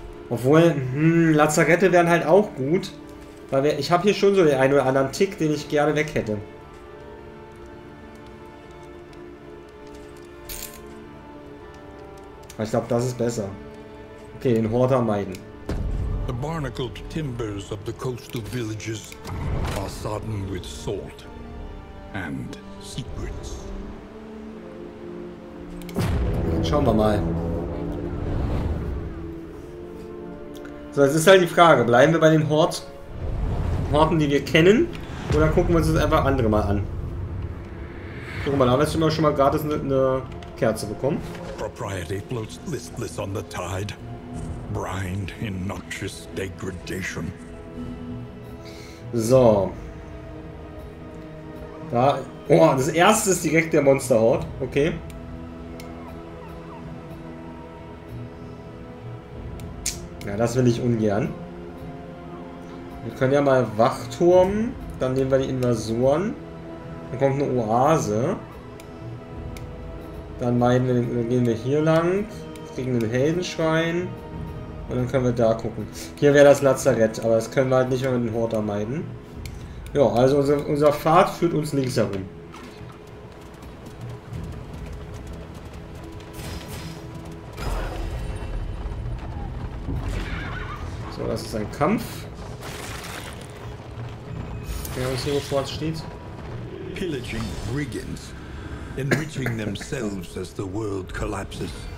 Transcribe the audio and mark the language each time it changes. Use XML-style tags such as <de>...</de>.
<de>Obwohl, Lazarette wären halt auch gut. Weil ich habe hier schon so den einen oder anderen Tick, den ich gerne weg hätte. Aber ich glaube, das ist besser. Okay, den Horter meiden.</de> <en>The barnacled timbers of the coastal villages are sodden with salt and secrets.</en> <de>Schauen wir mal. So, jetzt ist halt die Frage, bleiben wir bei den Horten, die wir kennen, oder gucken wir uns das einfach andere mal an? Guck mal, da haben wir jetzt schon mal gratis eine Kerze bekommen.</de> <en>Propriety floats listless on the tide. Brined in noxious degradation.</en> <de>So. Da. Oh, das erste ist direkt der Monsterhort. Okay. Ja, das will ich ungern. Wir können ja mal Wachturm. Dann nehmen wir die Invasoren. Dann kommt eine Oase. Dann meinen wir, dann gehen wir hier lang. Kriegen einen Heldenschrein. Und dann können wir da gucken. Hier wäre das Lazarett, aber das können wir halt nicht mehr mit dem Horter meiden. Ja, also unser Pfad führt uns links herum. So, das ist ein Kampf. Wer uns hier sofort steht.</de> <en>Pillaging Brigands. Enriching themselves as the world collapses.</en>